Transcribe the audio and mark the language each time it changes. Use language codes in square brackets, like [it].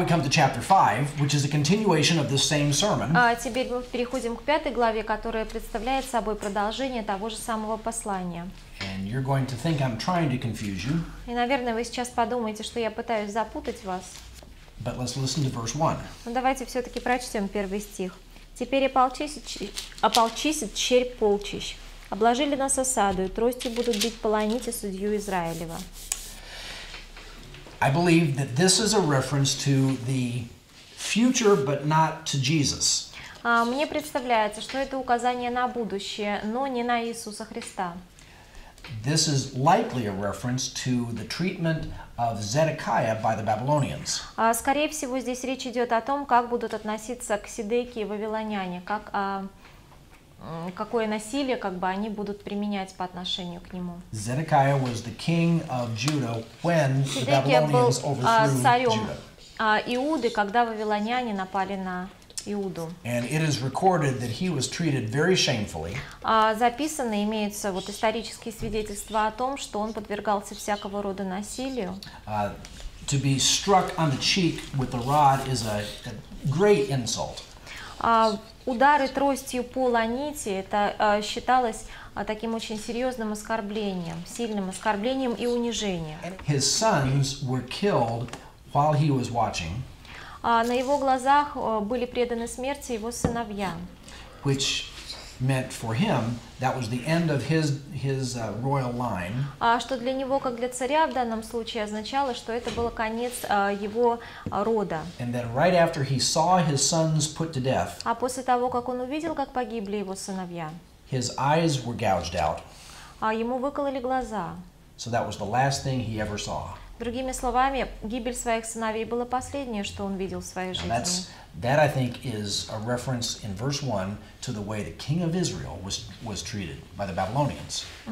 [en] Chapter 5, which is a continuation of the same sermon. [ru] Теперь мы переходим к пятой главе, которая представляет собой продолжение того же самого послания. [en] And you're going to think I'm trying to confuse you. [ru] И, наверное, вы сейчас подумаете, что я пытаюсь запутать вас. [en] But let's listen to verse 1. [ru] Ну, давайте все-таки прочтем первый стих. Теперь ополчись черь полчищ. Обложили нас осадой, тростью будут бить полоните судью Израилева. [en] I believe that this is a reference to the future, but not to Jesus. [ru] Мне представляется, что это указание на будущее, но не на Иисуса Христа. [en] This is likely a reference to the treatment of Zedekiah by the Babylonians. [ru] Скорее всего, здесь речь идет о том, как будут относиться к Сидекии вавилоняне, какое насилие, как бы они будут применять по отношению к нему. [en] Zedekiah was the king of Judah when the Babylonians overthrew Judah. [ru] Сидекия был царем Иуды, когда вавилоняне напали на Иуду. [en] And it is recorded that he was treated very shamefully. [ru] Записано, имеются вот исторические свидетельства о том, что он подвергался всякого рода насилию. [en] To be struck on the cheek with a rod is a great insult. [ru] Удары тростью по ланите это считалось таким очень серьезным оскорблением, сильным оскорблением и унижением. [en] His sons were killed while he was watching. [ru] На его глазах были преданы смерти его сыновья. [en] Which meant for him that was the end of his royal line. [ru] Что для него, как для царя в данном случае, означало, что это было конец его рода. [en] And then right after he saw his sons put to death. [ru] А после того, как он увидел, как погибли его сыновья. [en] His eyes were gouged out. [ru] Ему выкололи глаза. [en] So that was the last thing he ever saw. [ru] Другими словами, гибель своих сыновей было последнее, что он видел в своей жизни. [en] That I think is a reference in verse 1 to the way the king of Israel was treated by the Babylonians.